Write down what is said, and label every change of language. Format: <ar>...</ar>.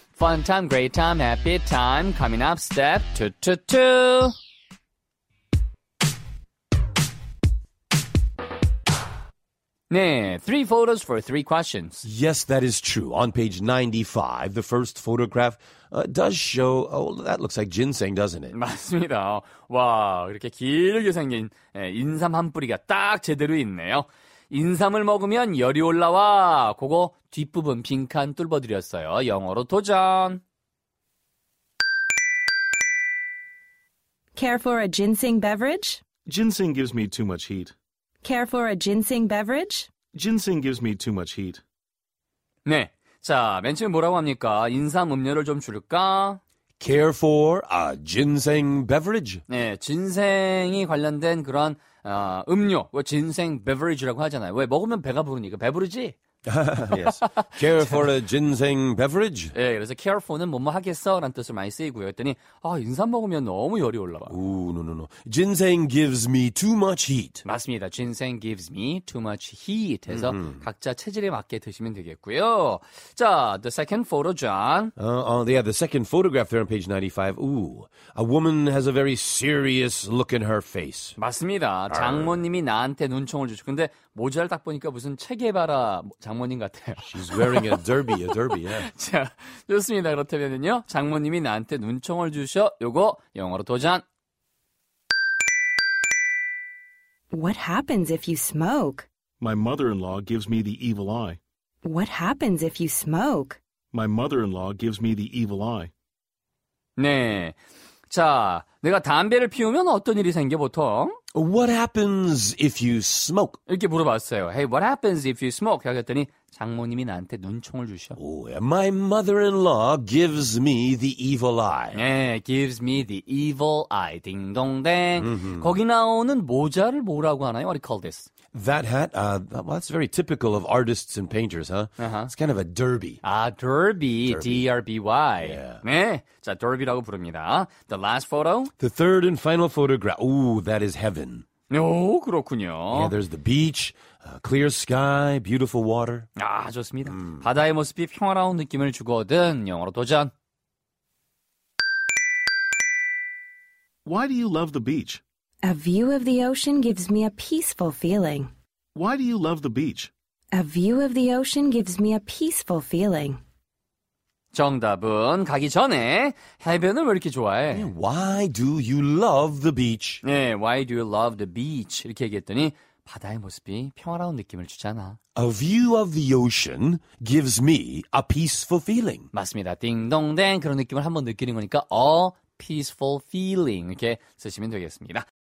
<en>Fun time, great time, happy time. Coming up, step two, two, two. 네, three photos for three questions. Yes, that is true. On page 95, the first photograph does show, oh, that looks like ginseng, doesn't it?</en> <ko>맞습니다. 와, 이렇게 길게 생긴 인삼 한 뿌리가 딱 제대로 있네요. 인삼을 먹으면 열이 올라와. 그거 뒷부분 빈칸 뚫어드렸어요. 영어로 도전.</ko> <en>Care for a ginseng beverage? Ginseng gives me too much heat. Care for a ginseng beverage? Ginseng gives me too much heat.</en> <ko>네, 자, 맨 처음에 뭐라고 합니까? 인삼 음료를 좀 줄까?</ko> <en>Care for a ginseng beverage?</en> <ko>네, 진생이 관련된 그런 음료, 진생 beverage라고 하잖아요. 왜? 먹으면 배가 부르니까. 배부르지?</ko> <en>yes. Care for a ginseng beverage?</en> <ko>예, 네, 그래서 care for는 뭐뭐 하겠어? 라는 뜻을 많이 쓰이고요. 했더니, 아, 인삼 먹으면 너무 열이 올라와.</ko> <en>오, no, no, no. Ginseng gives me too much heat.</en> <ko>맞습니다.</ko> <en>Ginseng gives me too much heat.</en> <ko>해서 각자 체질에 맞게 드시면 되겠고요.</ko> <en>자, the second photo, John. Yeah, the second photograph there on page 95. Ooh, a woman has a very serious look in her face.</en> <ko>맞습니다. 장모님이 나한테 눈총을 주시고. 근데 모자를 딱 보니까 무슨 체게바라 장모님 같아요.</ko> <en>She's wearing a derby, yeah.</en> <ko>자, 좋습니다. 그렇다면요. 장모님이 나한테 눈총을 주셔. 요거 영어로 도전.</ko> <en>What happens if you smoke? My mother-in-law gives me the evil eye. What happens if you smoke? My mother-in-law gives me the evil eye.</en> <ko>네. 자, 내가 담배를 피우면 어떤 일이 생겨 보통?</ko> <en>What happens if you smoke?</en> <ko>이렇게 물어봤어요.</ko> <en>Hey, what happens if you smoke?</en> <ko>하겠더니 장모님이 나한테 눈총을 주셔.</ko> <en>Oh, my mother-in-law gives me the evil eye. 네, gives me the evil eye. 딩동댕. Mm-hmm.</en> <ko>거기 나오는 모자를 뭐라고 하나요?</ko> <en>What do you call this? That hat, well, that's very typical of artists and painters, huh? Uh-huh. It's kind of a derby. 아, derby, derby. D-R-B-Y. Yeah.</en> <ko>네, 자, derby라고 부릅니다.</ko> <en>The last photo? The third and final photograph. Ooh, that is heaven.</en> <ko>오, 그렇군요.</ko> <en>Yeah, there's the beach, clear sky, beautiful water.</en> <ko>아, 좋습니다. 바다의 모습이 평화로운 느낌을 주거든. 영어로 도전.</ko> <en>Why do you love the beach? A view of the ocean gives me a peaceful feeling. Why do you love the beach? A view of the ocean gives me a peaceful feeling.</en> <ko>정답은 가기 전에 해변을 왜 이렇게 좋아해?</ko> <en>Yeah, why do you love the beach? 네, why do you love the beach?</en> <ko>이렇게 얘기했더니 바다의 모습이 평화로운 느낌을 주잖아.</ko> <en>A view of the ocean gives me a peaceful feeling.</en> <ko>맞습니다. 띵동댕 그런 느낌을 한번 느끼는 거니까</ko> <en>a peaceful feeling</en> <ko>이렇게 쓰시면 되겠습니다.</ko>